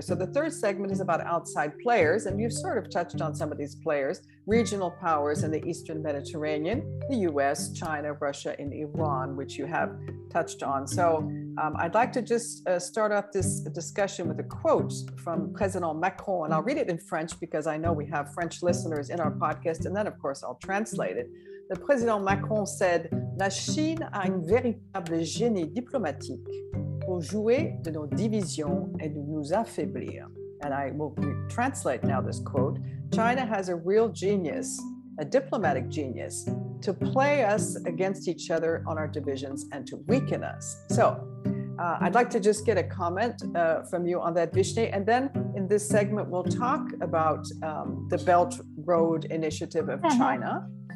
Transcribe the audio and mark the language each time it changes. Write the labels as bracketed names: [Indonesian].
[English] So the third segment is about outside players, and you've sort of touched on some of these players, regional powers in the Eastern Mediterranean, the US, China, Russia, and Iran, which you have touched on. So I'd like to just start off this discussion with a quote from President Macron, and I'll read it in French because I know we have French listeners in our podcast, and then of course I'll translate it. The President Macron said, [French] "La Chine a une véritable génie diplomatique. Jouer de nos divisions et de nous affaiblir." [English] And I will translate now this quote. China has a real genius, a diplomatic genius, to play us against each other on our divisions and to weaken us. So I'd like to just get a comment from you on that, Vishne. And then in this segment, we'll talk about the Belt Road Initiative of China.